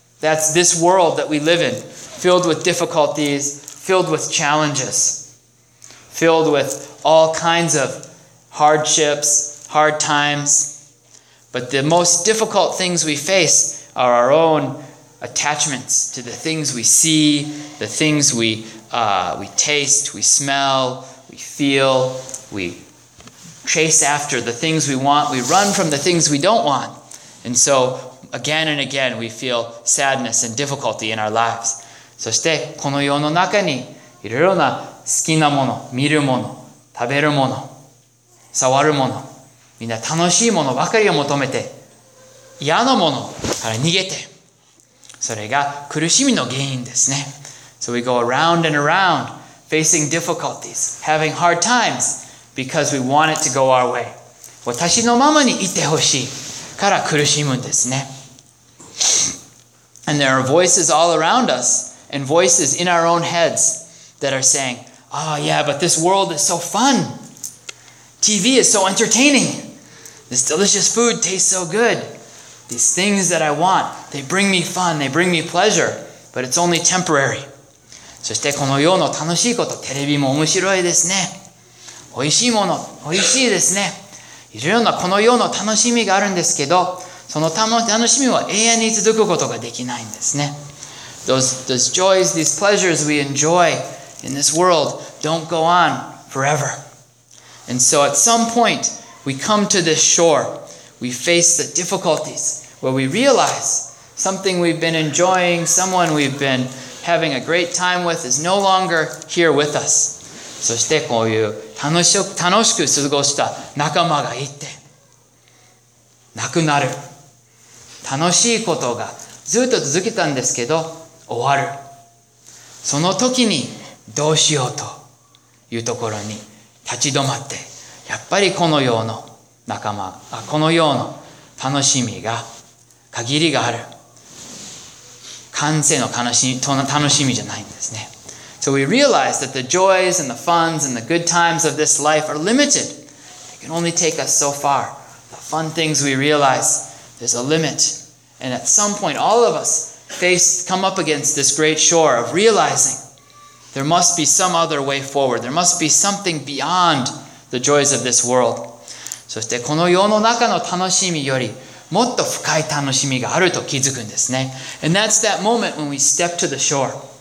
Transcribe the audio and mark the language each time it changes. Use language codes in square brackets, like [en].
[en] That's this world that we live in, filled with difficulties, filled with challenges, filled with all kinds of hardships,hard times, but the most difficult things we face are our own attachments to the things we see, the things we taste, we smell, we feel, we chase after the things we want, we run from the things we don't want. And so again and again, we feel sadness and difficulty in our lives. [ja] そしてこの世の中にいろいろな好きなもの、見るもの、食べるもの、触るもの、みんな楽しいものばかりを求めて、嫌なものから逃げて、それが苦しみの原因ですね。 [en] So we go around and around, facing difficulties, having hard times, because we want it to go our way. [ja] 私のままにいてほしいから苦しむんですね。 [en] And there are voices all around us, and voices in our own heads that are saying, Oh yeah, but this world is so fun. TV is so entertaining. This delicious food tastes so good. These things that I want, they bring me fun, they bring me pleasure, but it's only temporary. [ja] そしてこの世の楽しいこと、テレビも面白いですね。おいしいもの、おいしいですね。いろいろなこの世の楽しみがあるんですけど、その楽しみは永遠に続くことができないんですね。 [en] Those joys, these pleasures we enjoy in this world don't go on forever. And so at some point, we come to this shore. We face the difficulties where we realize something we've been enjoying, someone we've been having a great time with is no longer here with us. [ja] そしてこういう楽しく過ごした仲間がいて、亡くなる。楽しいことがずっと続けたんですけど、終わる。その時にどうしようというところに立ち止まって、やっぱりこの世の仲間、この世の楽しみが限りがある。完成の楽しみじゃないんですね。 [en] So we realize that the joys and the funs and the good times of this life are limited. They can only take us so far. The fun things we realize, there's a limit. And at some point, all of us come up against this great shore of realizing there must be some other way forward. There must be something beyond the joys of this world. [ja] そしてこの世の中の楽しみよりもっと深い楽しみがあると気づくんですね。 [en] And that's that moment when we step to the shore.